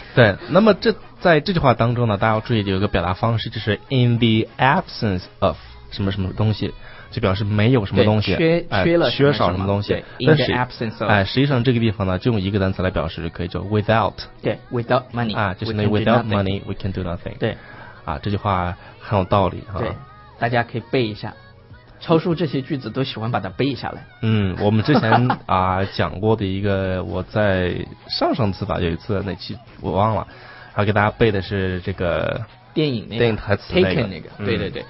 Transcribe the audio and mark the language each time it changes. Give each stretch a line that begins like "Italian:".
Chinese: 对，那么在这句话当中呢，大家要注意有一个表达方式，就是
English: in the absence of
Chinese: 什么什么东西。就表示没有什么东西，缺少什么东西。
English: In the absence of，
Chinese: 哎，实际上这个地方呢，就用一个单词来表示就可以，叫 without。对
English: ，without money。
Chinese: 啊，就是那
English: without money we can do nothing。
Chinese: 对，啊，这句话很有道理哈。对，大家可以背一下。超叔这些句子都喜欢把它背下来。嗯，我们之前啊讲过的一个，我在上次吧，有一次那期我忘了，然后给大家背的是这个。电影那个电影台词、那个、 Taken 那个、嗯、对对对、